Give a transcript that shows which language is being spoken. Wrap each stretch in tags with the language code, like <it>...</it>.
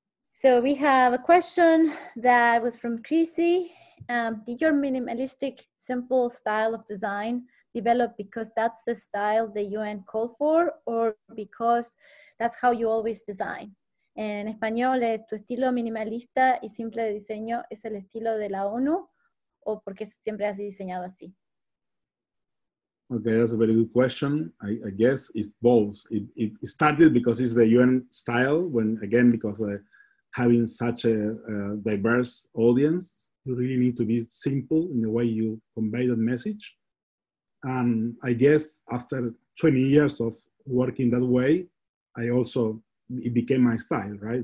<en>So we have a question that was from Chrissy. Did your minimalistic, simple style of design develop because that's the style the UN called for, or because that's how you always design?</en> <es>En español es, ¿tu estilo minimalista y simple de diseño es el estilo de la ONU, o porque siempre has diseñado así?</es> <en>Okay, that's a very good question. I guess it's both. It started because it's the UN style, when again, because having such a diverse audience, you really need to be simple in the way you convey that message. And I guess after 20 years of working that way, it became my style, right?</en>